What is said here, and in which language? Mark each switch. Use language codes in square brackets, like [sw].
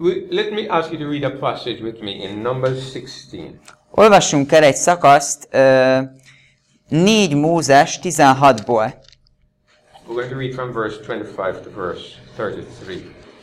[en] Let me ask you to read a passage with me in Numbers 16. [hu] Olvassunk el egy szakaszt 4 Mózes 16-ból. [en] We're going to read from verse 25 to verse 33.